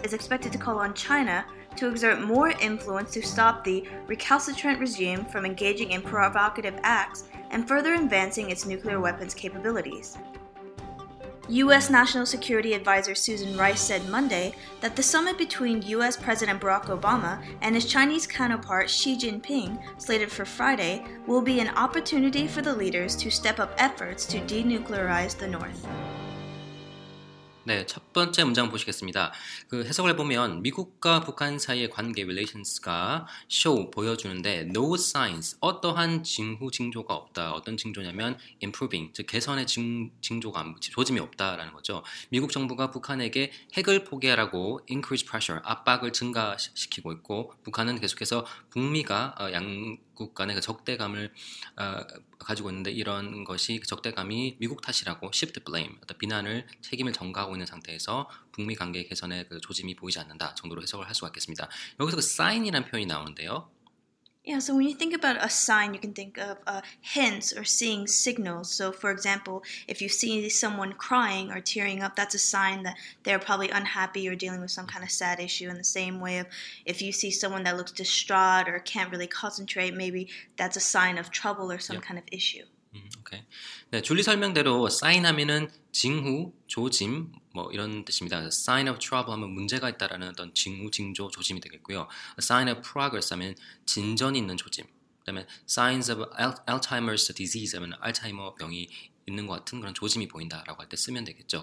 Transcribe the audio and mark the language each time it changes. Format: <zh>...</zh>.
<en>is expected to call on China to exert more influence to stop the recalcitrant regime from engaging in provocative acts and further advancing its nuclear weapons capabilities. U.S. National Security Advisor Susan Rice said Monday that the summit between U.S. President Barack Obama and his Chinese counterpart Xi Jinping, slated for Friday, will be an opportunity for the leaders to step up efforts to denuclearize the North.</en> <ko>네, 첫 번째 문장 보시겠습니다. 그 해석을 해보면 미국과 북한 사이의 관계 relations가 show 보여주는데 no signs 어떠한 징후 징조가 없다. 어떤 징조냐면 improving 즉 개선의 징조가 조짐이 없다라는 거죠. 미국 정부가 북한에게 핵을 포기하라고 increase pressure 압박을 증가시키고 있고 북한은 계속해서 북미가 양국 간의 그 적대감을 가지고 있는데 이런 것이 적대감이 미국 탓이라고 shift blame 어떤 비난을 책임을 전가하고 있는 상태에서 북미 관계 개선의 그 조짐이 보이지 않는다 정도로 해석을 할 수가 있겠습니다. 여기서 그 sign이라는 표현이 나오는데요.</ko> <en>Yeah, so when you think about a sign, you can think of hints or seeing signals. So for example, if you see someone crying or tearing up, that's a sign that they're probably unhappy or dealing with some kind of sad issue. In the same way, if you see someone that looks distraught or can't really concentrate, maybe that's a sign of trouble or some kind of issue. Okay.</en> <ko>네, 줄리 설명대로 sign 하면은 징후, 조짐, 뭐 이런 뜻입니다.</ko> <en>Sign of trouble</en> <ko>하면 문제가 있다라는 어떤 징후, 징조, 조짐이 되겠고요.</ko> <en>A sign of progress</en> <ko>하면 진전이 있는 조짐. 그다음에</ko> <en>signs of Alzheimer's disease</en> <ko>하면 알츠하이머 병이 있는 것 같은 그런 조짐이 보인다라고 할 때 쓰면 되겠죠.</ko>